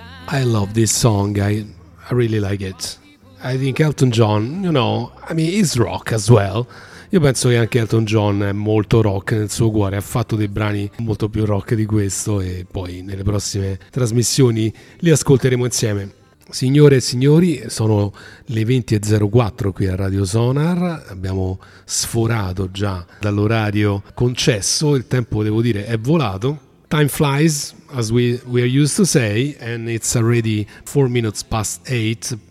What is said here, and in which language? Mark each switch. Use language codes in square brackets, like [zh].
[en] I love this song, I really like it. I think Elton John, you know, I mean, he's rock as well. [it] Io penso che anche Elton John è molto rock nel suo cuore, ha fatto dei brani molto più rock di questo e poi nelle prossime trasmissioni li ascolteremo insieme. Signore e signori, sono le 20.04 qui a Radio Sonar, abbiamo sforato già dall'orario concesso, il tempo devo dire è volato. [en] Time flies, as we are used to say, and it's already 4 minutes past 8,